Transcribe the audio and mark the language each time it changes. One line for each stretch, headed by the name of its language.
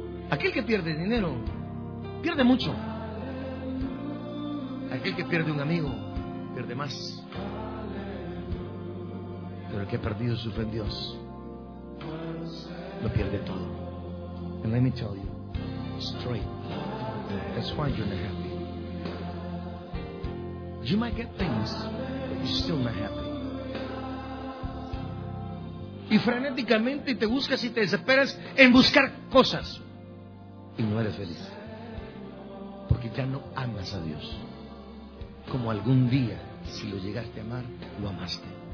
Spanish: Aquel que pierde dinero pierde mucho. Aquel que pierde un amigo pierde más. Pero el que ha perdido su fe en Dios lo pierde todo.
English: And let me tell you straight, that's why you're not happy. You might get things, but you're still not happy.
Spanish: Y frenéticamente te buscas y te desesperas en buscar cosas y no eres feliz, porque ya no amas a Dios como algún día, si lo llegaste a amar, lo amaste.